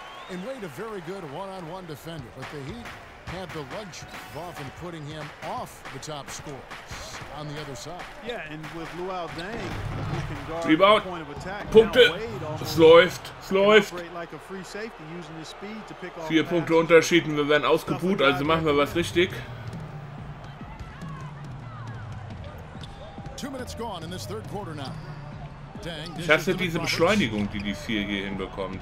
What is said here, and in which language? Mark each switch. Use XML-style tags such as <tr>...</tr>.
<en>and Wade a very good one-on-one defender, but the Heat had the luxury of often putting him off the top score on the other side. Yeah, and with Luol Deng, he can guard Rebound. The point of attack.</en> <de>Punkte. Es läuft. Es läuft.</de> <en>Like a free safety, using his speed to pick off</en> <de>4 Punkte Unterschied und wir werden ausgebuht, also machen wir was richtig.</de> <en>2 minutes gone in this third quarter now.</en> <de>Deng, ich hasse diese Beschleunigung, die die 4 hier hinbekommen.</de>